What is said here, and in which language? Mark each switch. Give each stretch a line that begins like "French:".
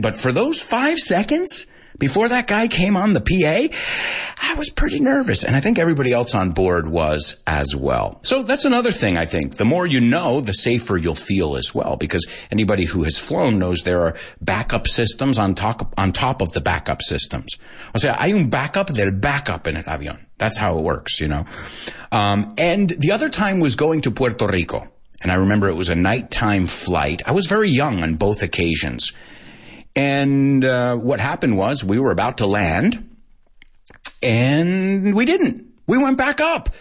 English: But for those 5 seconds before that guy came on the PA, I was pretty nervous. And I think everybody else on board was as well. So that's another thing, I think. The more you know, the safer you'll feel as well. Because anybody who has flown knows there are backup systems on top of the backup systems.
Spanish: O sea, hay un backup del backup en el avión.
English: That's how it works, you know. And the other time was going to Puerto Rico. And I remember it was a nighttime flight. I was very young on both occasions. And what happened was we were about to land and we didn't. We went back up.